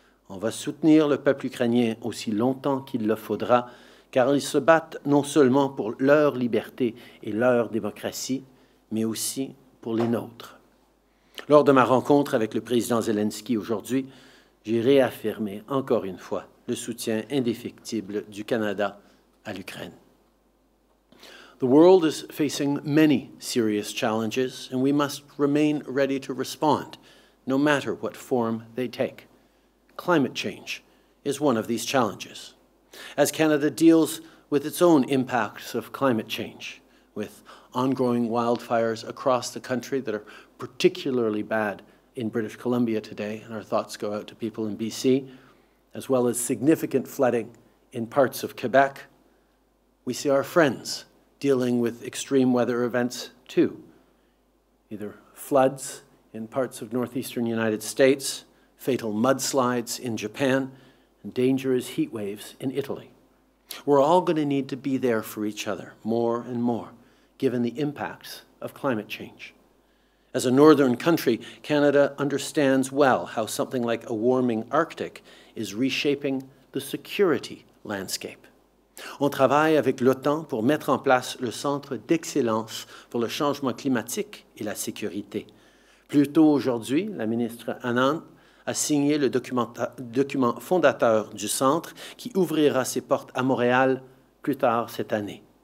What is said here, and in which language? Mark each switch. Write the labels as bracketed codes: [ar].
[fr] On va soutenir le peuple ukrainien aussi longtemps qu'il le faudra, car ils se battent non seulement pour leur liberté et leur démocratie, mais aussi pour les nôtres. Lors de ma rencontre avec le président Zelensky aujourd'hui, j'ai réaffirmé encore une fois le soutien indéfectible du Canada à l'Ukraine. [en] The world is facing many serious challenges, and we must remain ready to respond, no matter what form they take. Climate change is one of these challenges. As Canada deals with its own impacts of climate change, with ongoing wildfires across the country that are particularly bad in British Columbia today, and our thoughts go out to people in BC, as well as significant flooding in parts of Quebec, we see our friends dealing with extreme weather events too, either floods in parts of northeastern United States, fatal mudslides in Japan, and dangerous heat waves in Italy. We're all going to need to be there for each other more and more, given the impacts of climate change. As a northern country, Canada understands well how something like a warming Arctic is reshaping the security landscape. [fr] On travaille avec l'OTAN pour mettre en place le Centre d'excellence pour le changement climatique et la sécurité. Plus tôt aujourd'hui, la ministre Anand a signé le document fondateur du centre qui ouvrira ses portes à Montréal plus tard cette année.